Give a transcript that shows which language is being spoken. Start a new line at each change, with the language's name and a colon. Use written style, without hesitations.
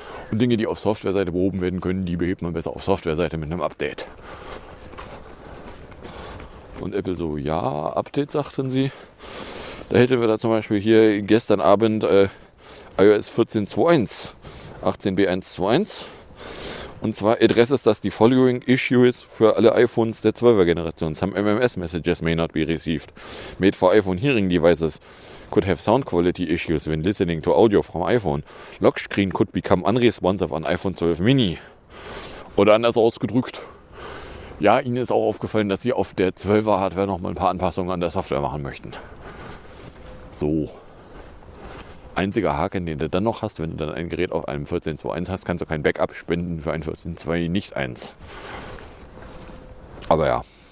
German: Und Dinge, die auf Softwareseite behoben werden können, die behebt man besser auf Softwareseite mit einem Update. Und Apple so, ja, Update, sagten sie. Da hätten wir da zum Beispiel hier gestern Abend iOS 14.2.1, 18b1.2.1. Und zwar
English: addresses
German: das
English: the following issues
German: für alle iPhones der 12er Generation.
English: Some MMS messages may not be received. Made for iPhone hearing devices could have sound quality issues when listening to audio from iPhone. Lock screen could become unresponsive on iPhone 12 mini.
German: Oder anders ausgedrückt, ja, ihnen ist auch aufgefallen, dass sie auf der 12er Hardware noch mal ein paar Anpassungen an der Software machen möchten. So. Einziger Haken, den du dann noch hast, wenn du dann ein Gerät auf einem 14.2.1 hast, kannst du kein Backup spenden für ein 14.2 nicht 1. Aber ja.